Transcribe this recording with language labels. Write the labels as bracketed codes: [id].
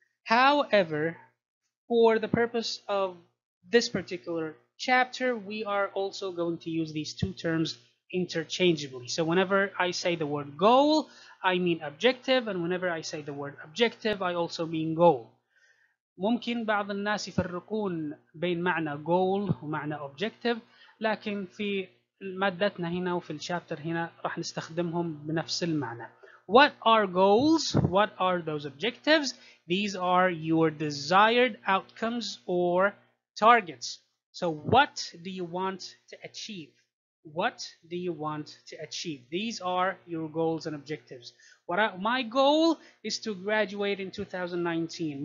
[en] However, for the purpose of this particular chapter, we are also going to use these two terms interchangeably. So whenever I say the word goal, I mean objective, and whenever I say the word objective, I also mean goal. [ar] ممكن بعض الناس يفرقون بين معنى goal ومعنى objective, لكن في مادتنا هنا وفي الشابتر هنا راح نستخدمهم بنفس المعنى. [en] What are goals? What are those objectives? These are your desired outcomes or targets. So what do you want to achieve? What do you want to achieve? These are your goals and objectives. My goal is to graduate in 2019.